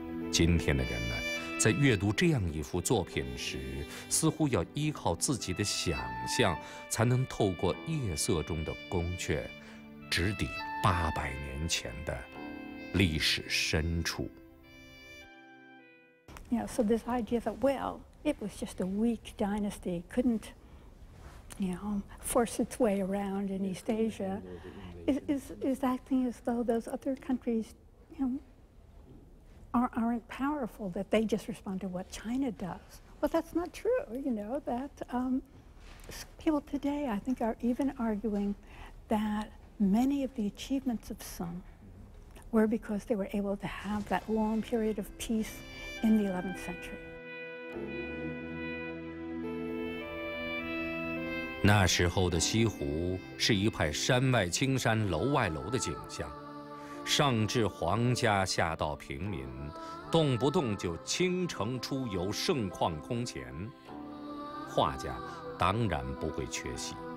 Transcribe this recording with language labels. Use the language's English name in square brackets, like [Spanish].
[Chinese] 今天的人们在阅读这样一幅作品时，似乎要依靠自己的想象，才能透过夜色中的宫阙，直抵800年前的历史深处。 [English] You know, so this idea that, well, it was just a weak dynasty, couldn't, you know, force its way around in East Asia, is acting as though those other countries, you know, aren't powerful, that they just respond to what China does. Well, that's not true, you know, that people today, I think, are even arguing that many of the achievements of Sun were because they were able to have that long period of peace in the 11th century. [Chinese] 那时候的西湖是一派山外青山楼外楼的景象，上至皇家下到平民，动不动就倾城出游，盛况空前，画家当然不会缺席。